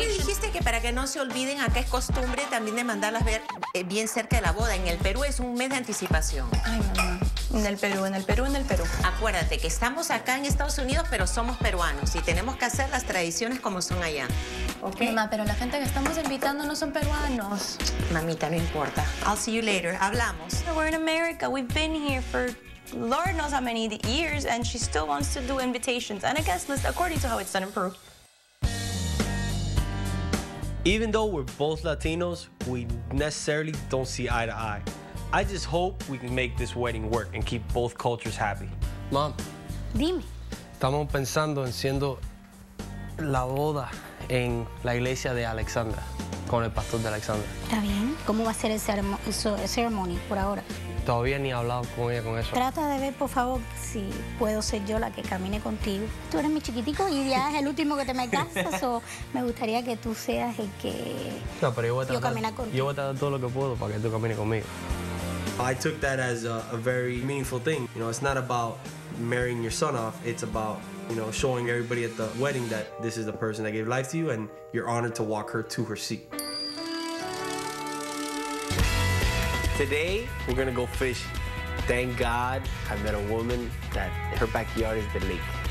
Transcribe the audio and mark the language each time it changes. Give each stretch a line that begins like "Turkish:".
Spanish: Tú me dijiste que para que no se olviden, acá es costumbre también de mandarlas ver bien cerca de la boda. En el Perú es un mes de anticipación. Ay, mamá. En el Perú. Acuérdate que estamos acá en Estados Unidos, pero somos peruanos y tenemos que hacer las tradiciones como son allá.
English: Okay.
Spanish: Mamá, pero la gente que estamos invitando no son peruanos. Mamita, no importa.
English: I'll see you later.
Spanish: Hablamos.
English: We're in America. We've been here for Lord knows how many years, and she still wants to do invitations and a guest list according to how it's done in Peru. Even though we're both Latinos, we necessarily don't see eye to eye. I just hope we can make this wedding work and keep both cultures happy. Mom.
Spanish: Dime. Estamos pensando en siendo la boda en la iglesia de Alexandra, con el pastor de Alexandra. Está bien. ¿Cómo va a ser el ceremony por ahora? Todavía ni he hablado con ella con eso. Trata de ver, por favor, si puedo ser yo la que camine contigo. Tú eres mi chiquitico y ya es el último que te me casas, o me gustaría que tú seas el que no, pero yo, voy a tratar, yo camine contigo. Yo voy a tratar todo lo que puedo para que tú camines conmigo.
English: I took that as a very meaningful thing. You know, it's not about marrying your son off. It's about, you know, showing everybody at the wedding that this is the person that gave life to you and you're honored to walk her to her seat. Today, we're gonna go fish. Thank God I met a woman that her backyard is the lake.